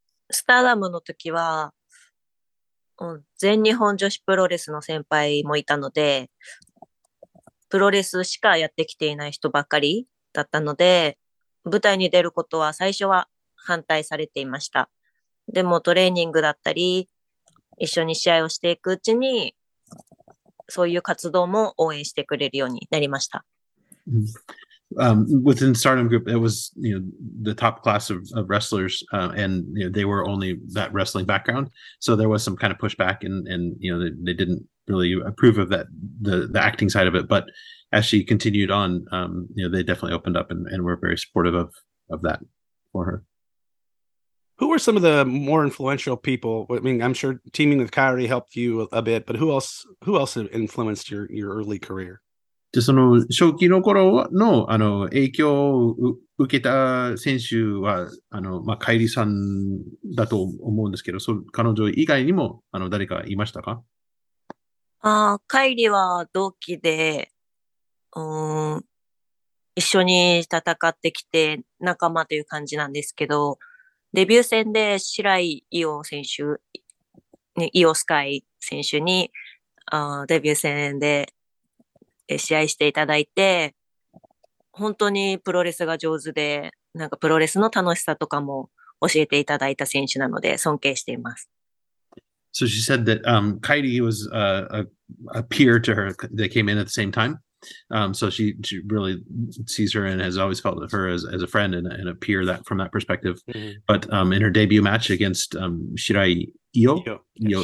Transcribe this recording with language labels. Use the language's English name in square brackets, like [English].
[Japanese] スターダムの時は、全日本女子プロレスの先輩もいたので、プロレスしかやってきていない人ばっかりだったので、舞台に出ることは最初は反対されていました。でもトレーニングだったり、一緒に試合をしていくうちに、そういう活動も応援してくれるようになりました。 [English] Within the Stardom group, it was, the top class of wrestlers, and they were only that wrestling background. So there was some kind of pushback, and they didn't really approve of that, the acting side of it. But as she continued on, they definitely opened up and were very supportive of that for her. Who were some of the more influential people? I mean, I'm sure teaming with Kairi helped you a bit, but who else influenced your early career? [Japanese] で、その、初期の頃の、影響を受けた選手は、カイリさんだと思うんですけど、彼女以外にも、誰かいましたか？ああ、カイリは同期で、一緒に戦ってきて仲間という感じなんですけど、デビュー戦で白井伊代選手、伊代スカイ選手に、デビュー戦で、試合していただいて、本当にプロレスが上手で、なんかプロレスの楽しさとかも教えていただいた選手なので尊敬しています。 [English] So she said that Kairi was a peer to her. They came in at the same time. So she really sees her and has always felt of her as a friend and a peer that from that perspective. But in her debut match against Shirai Io,